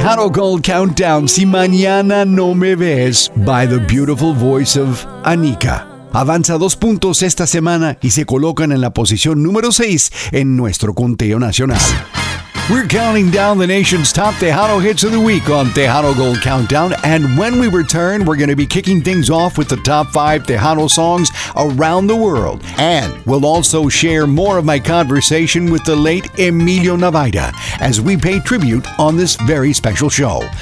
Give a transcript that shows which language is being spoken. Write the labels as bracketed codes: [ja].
[en] Gold Countdown, Si Mañana No Me Ves, by the beautiful voice of Anika. [es] Avanza 2 puntos esta semana y se colocan en la posición número 6 en nuestro conteo nacional. [en] We're counting down the nation's top Tejano hits of the week on Tejano Gold Countdown. And when we return, we're going to be kicking things off with the top five Tejano songs around the world. And we'll also share more of my conversation with the late Emilio Navaida as we pay tribute on this very special show.